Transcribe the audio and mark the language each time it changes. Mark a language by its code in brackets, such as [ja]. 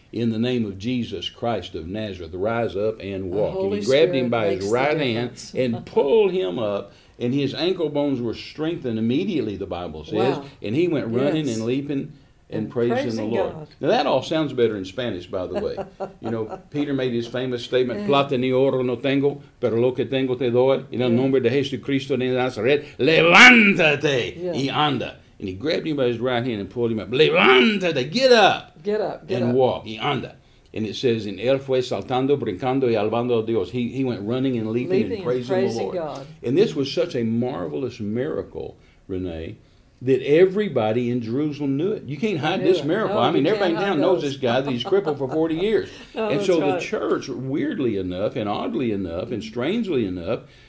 [en] In the name of Jesus Christ of Nazareth, rise up and walk. And he grabbed him by his right hand and pulled him up, and his ankle bones were strengthened immediately, the Bible says. Wow. And he went running and leaping and praising the Lord. God. Now that all sounds better in Spanish, by the way. You know, Peter made his famous statement, [es] Plata ni oro no tengo, pero lo que tengo te doy. En el nombre de Jesucristo de Nazaret, levántate y anda. [en] And he grabbed him by his right hand and pulled him up. [es] Levántate, [en] get up. Walk, [es] y anda. [en] And it says, and [es] él fue saltando, brincando y alabando a Dios. [en] He went running and leaping and praising the Lord. God. And this was such a marvelous miracle, Renee, that everybody in Jerusalem knew it. You can't hide this miracle. No, I mean, everybody in town knows this guy that he's crippled for 40 years. No, and so right. The church, weirdly enough and oddly enough and strangely enough,